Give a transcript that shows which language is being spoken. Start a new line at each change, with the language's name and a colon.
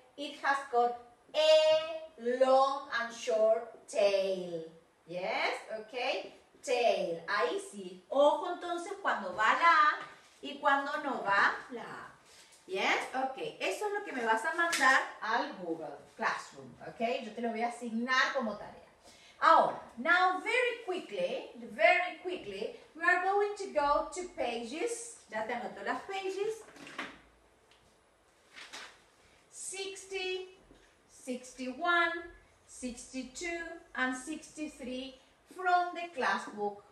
English: It has got a long and short tail. Yes, okay? Tail.
Spanish: Ahí sí. Ojo entonces cuando va la A y cuando no va la A.
English: Yes, okay.
Spanish: Eso es lo que me vas a mandar al Google Classroom.
English: Okay?
Spanish: Yo te lo voy a asignar como tarea. Ahora,
English: now very quickly, we are going to go to pages,
Spanish: ya te anoto las
English: pages, 60, 61, 62, and 63 from the classbook.